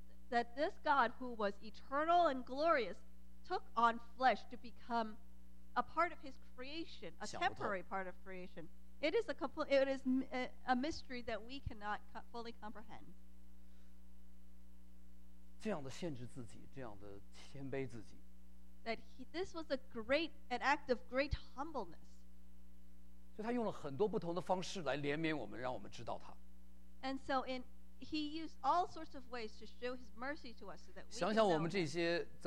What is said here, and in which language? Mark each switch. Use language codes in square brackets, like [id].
[en] That this God who was eternal and glorious took on flesh to become a part of his creation, a temporary part of creation. It is a mystery that we cannot fully comprehend. [zh] 这样的限制自己，这样的谦卑自己。 [en] That this was an act of great humbleness. [zh] 所以他用了很多不同的方式来怜悯我们，让我们知道他。 [en] And so he used all sorts of ways to show his mercy to us, so that we.